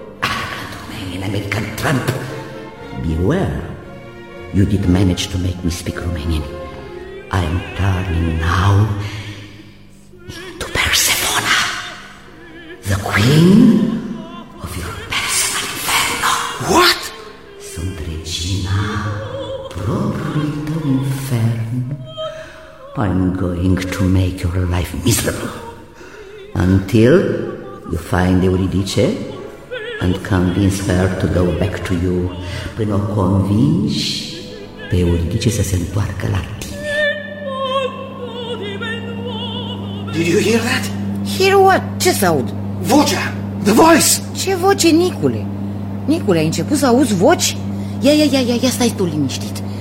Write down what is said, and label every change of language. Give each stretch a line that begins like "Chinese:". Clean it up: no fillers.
English: arrogant man in American Trump. Beware. You did manage to make me speak Romanian. I am turning now into Persefona, the queen of your personal inferno. What?
Romanian: Sunt regina propriului tău infern.
English: I'm going to make your life miserable until you find Euridice and convince her to go back to you.
Romanian: Până o convingi pe Euridice să se întoarcă la tine.
English: Did you hear that? Hear what?
Romanian: Ce s-aud? Vocea!
English: The voice!
Romanian: Ce voce, Nicule? Nicule, ai început să auzi voci? Ia, stai tu liniștit.